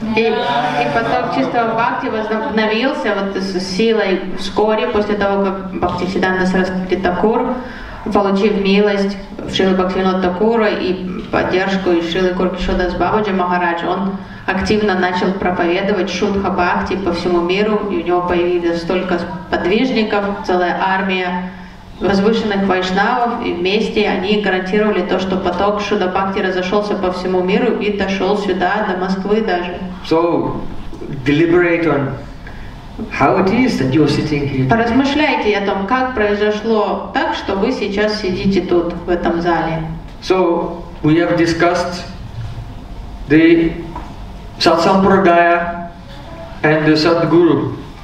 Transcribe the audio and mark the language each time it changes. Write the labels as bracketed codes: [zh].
[ru] И поток чистого бхакти возобновился вот с силой вскоре после того, как Бхактисиддханта Сарасвати Такур, получив милость в Шрилы Бхактивинода Такура и поддержку из Шрилы Гокшодас Бабаджи Махараджа, он активно начал проповедовать Шудха Бхакти по всему миру, и у него появилось столько подвижников, целая армия возвышенных вайшнавов, и вместе они гарантировали то, что поток Шудха Бхакти разошелся по всему миру и дошел сюда, до Москвы даже. [en] So, deliberate on how it is that you're sitting here. [ru] Поразмышляйте о том, как произошло так, что вы сейчас сидите тут, в этом зале. [en] So, we have discussed the Satsampradaya and the Sadguru.